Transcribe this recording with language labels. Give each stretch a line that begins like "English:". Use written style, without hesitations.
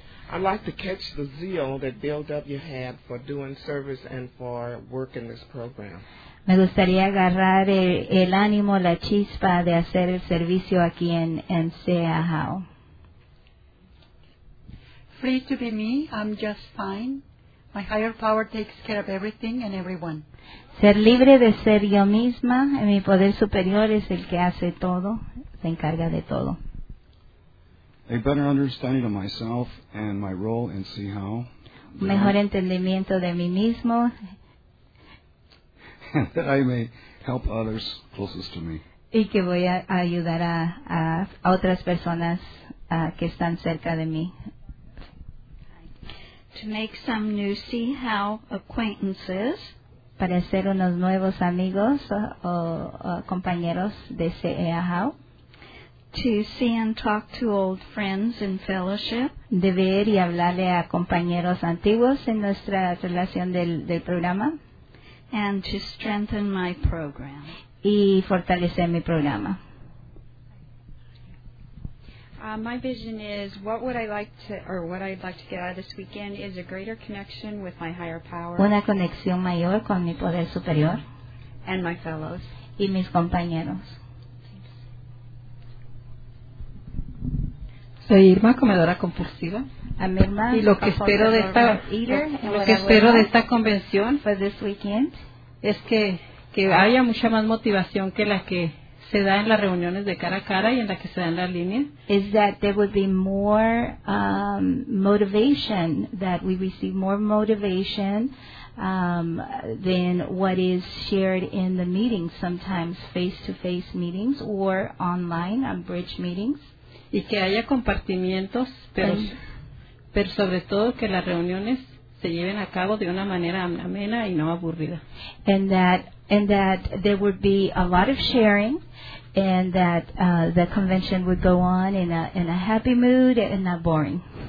English: I like to catch the zeal that Build-Up you had for doing service and for work in this program.
Spanish: Me gustaría agarrar el ánimo, la chispa de hacer el servicio aquí en CEAHAO.
English: Free to be me, I'm just fine. My higher power takes care of everything and everyone.
Spanish: Ser libre de ser yo misma, en mi poder superior es el que hace todo, se encarga de todo.
English: A better understanding of myself and my role in CEAHAO.
Spanish: Mejor entendimiento de mí mismo.
English: That I may help others closest to me.
Spanish: Y que voy a ayudar a otras personas que están cerca de mí.
English: To make some new CEAHAO acquaintances.
Spanish: Para hacer unos nuevos amigos o compañeros de CEAHAO.
English: To see and talk to old friends in fellowship.
Spanish: De ver y hablarle a compañeros antiguos en nuestra relación del programa.
English: And to strengthen my program.
Spanish: Y fortalecer mi programa.
English: My vision is what I'd like to get out of this weekend is a greater connection with my higher power.
Spanish: Una conexión mayor con mi poder superior.
English: And my fellows.
Spanish: Y mis compañeros. Soy Irma, comedora compulsiva.
English: I'm Irma,
Spanish: y lo que espero de esta convención
English: for this weekend
Spanish: es que haya mucha más motivación que la que se da en las reuniones de cara a cara y en la que se da en la línea.
English: Is that there would be more motivation, that we receive more motivation than what is shared in the meetings, sometimes face-to-face meetings or online on bridge meetings.
Spanish: Y que haya compartimientos, pero sobre todo que las reuniones se lleven a cabo de una manera amena y no aburrida.
English: And that there would be a lot of sharing, and that the convention would go on in a happy mood and not boring.